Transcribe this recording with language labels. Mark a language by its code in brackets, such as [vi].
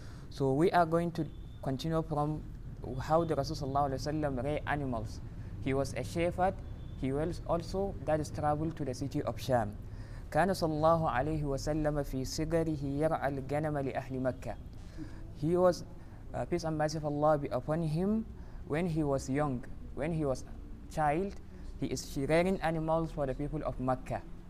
[en] So we are going to continue from how the Rasul sallallahu alayhi wa sallam raised animals. He was a shepherd. He was also that is traveled to the city of Sham. [ar] كان صلى الله عليه وسلم في صغره يرعى الغنم لأهل مكة. [en] He was peace and mercy of Allah be upon him. When he was young, when he was a child, he is shearing animals for the people of Mecca.